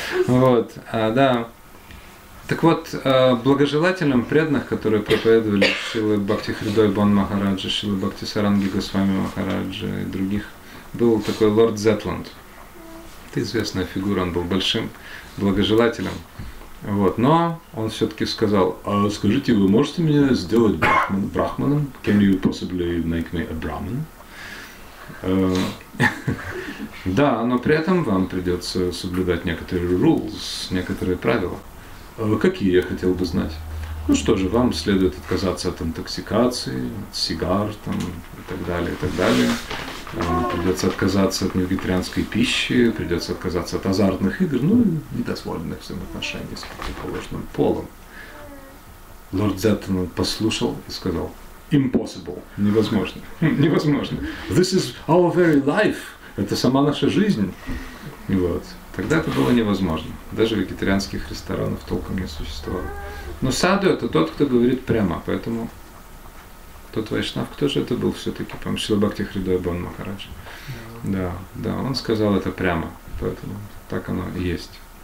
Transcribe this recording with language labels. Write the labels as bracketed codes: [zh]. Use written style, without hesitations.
[ru] Вот, да. Так вот, благожелателям преданных, которые проповедовали Шрилы Бхакти Хридойбон Махараджа, Шрилы Бхакти Саранги Госвами Махараджа и других, был такой лорд Зетланд. Это известная фигура, он был большим благожелателем. Вот. Но он все-таки сказал, а скажите, вы можете меня сделать брахманом? [en] Can you possibly make me a brahman? [ru] Да, но при этом вам придется соблюдать некоторые rules, некоторые правила. Какие, я хотел бы знать. Ну что же, вам следует отказаться от интоксикации, от сигар там, и так далее, и так далее. Придется отказаться от вегетарианской пищи, придется отказаться от азартных игр, ну и недозволенных взаимоотношений с противоположным полом. Лорд Зеттон послушал и сказал, [en] impossible, [ru] невозможно, невозможно. [en] This is our very life, [ru] это сама наша жизнь. Вот. Тогда это было невозможно. Даже вегетарианских ресторанов толком не существовало. Но саду — это тот, кто говорит прямо. Поэтому тот вайшнав, кто же это был все-таки? По-моему, Шрила Бхакти Хридойбон Махарадж. [en] Yeah. [ru] Да, да, он сказал это прямо. Поэтому так оно и есть.